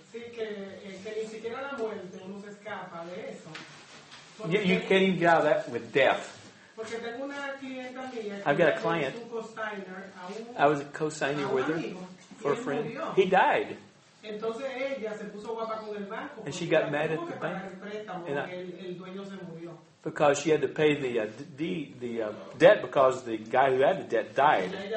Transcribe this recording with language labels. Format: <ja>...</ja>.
<es>Sí, que ni siquiera la muerte nos escapa de eso.</es> <en>You can't even get out of that with death.</en> <es>Porque tengo una clienta mía,</es> <en>I've got a client. I was a co-signer with her for a friend.</en> <es>Murió.</es> <en>He died.</en> <es>Entonces ella se puso guapa con el banco,</es> <en>and she got mad at the bank.</en> <es>El dueño se murió.</es> <en>Because she had to pay the debt because the guy who had the debt died.</en>